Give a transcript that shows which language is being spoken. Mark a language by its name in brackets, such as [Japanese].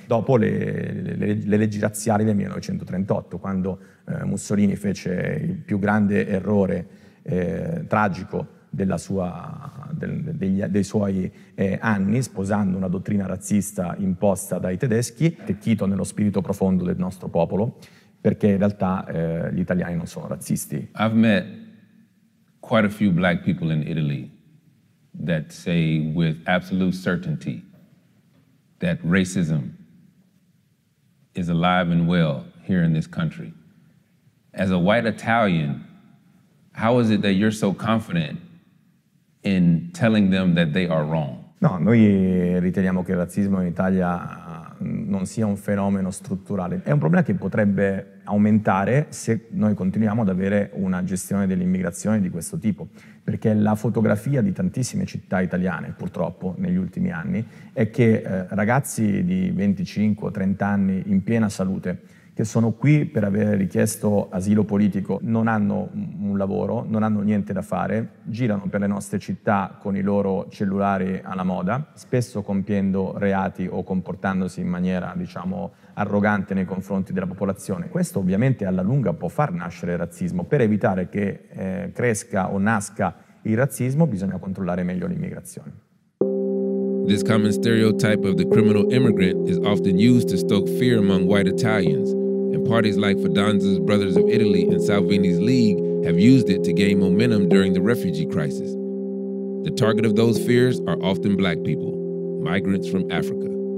[Italian] Dopo le leggi razziali del 1938, quando Mussolini fece il più grande errore tragico dei suoi anni, sposando una dottrina razzista imposta dai tedeschi, attecchito nello spirito profondo del nostro popolo, perché in realtà gli italiani non sono razzisti. [English] I've met quite a few black people in Italy that say with absolute certainty that racism is alive and well here in this country. As a white Italian, how is it that you're so confident in telling them that they are wrong? [Italian] No, noi riteniamo che il razzismo in Italia non sia un fenomeno strutturale. È un problema che potrebbe aumentare se noi continuiamo ad avere una gestione dell'immigrazione di questo tipo, perché la fotografia di tantissime città italiane, purtroppo, negli ultimi anni, è che ragazzi di 25-30 anni in piena salute, che sono qui per avere richiesto asilo politico, non hanno un lavoro, non hanno niente da fare, girano per le nostre città con i loro cellulari alla moda, spesso compiendo reati o comportandosi in maniera, diciamo, arrogante nei confronti della popolazione. Questo ovviamente alla lunga può far nascere il razzismo. Per evitare che cresca o nasca il razzismo, bisogna controllare meglio l'immigrazione. [English] This common stereotype of the criminal immigrant is often used to stoke fear among white Italians, and parties like Fidanza's Brothers of Italy and Salvini's League have used it to gain momentum during the refugee crisis. The target of those fears are often black people, migrants from Africa.